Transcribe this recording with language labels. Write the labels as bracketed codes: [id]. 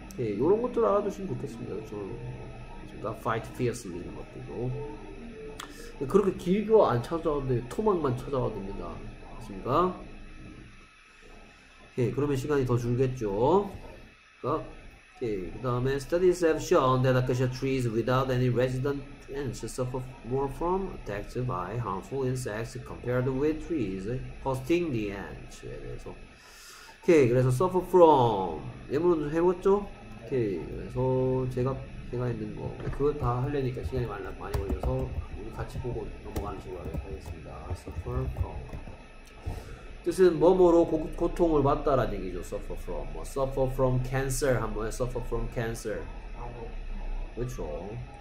[ko] 예, 이런 것들 알아두시면 좋겠습니다. 그렇습니다. [en] Fight fiercely [ko] 이런 것들도 예, 그렇게 길게 안 찾아와도 토막만 찾아와도 됩니다. 맞습니까? 예, 그러면 시간이 더 줄겠죠. 예, 그 다음에 [en] Studies have shown that acacia trees without any resident ants suffer more from attacks by harmful insects compared with trees hosting the ants. [ko] 예, 그래서 오케이 okay, 그래서 suffer from 예문은 해봤죠? 오케이 okay, 그래서 제가 있는 거 그걸 다 하려니까 시간이 많이 걸려서 우리 같이 보고 넘어가는 식으로 하겠습니다. suffer from 뜻은 뭐뭐로 고통을 받다라는 얘기죠. suffer from 뭐 [en] suffer from cancer [ko] 한번 해 suffer from cancer 그렇죠.